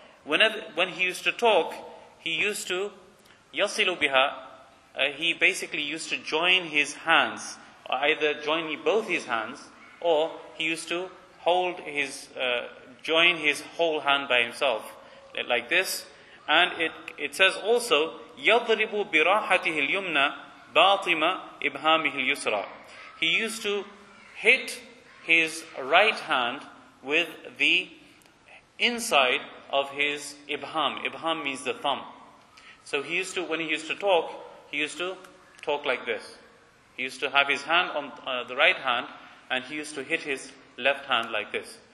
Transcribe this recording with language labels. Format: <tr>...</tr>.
<en>When he used to talk, he used to</en> <ar>يَصِلُ بِهَا.</ar> <en>He basically used to join his hands, either join both his hands, or he used to hold his join his whole hand by himself, like this. And it says also,</en> <ar>يَضْرِبُ بِرَاحَتِهِ الْيُمْنَى بَاطِمَ إِبْهَامِهِ الْيُسْرَى.</ar> <en>He used to hit his right hand with the inside of his ibham. Ibham means the thumb. So he used to, when he used to talk, he used to talk like this. He used to have his hand on the right hand, and he used to hit his left hand like this.</en>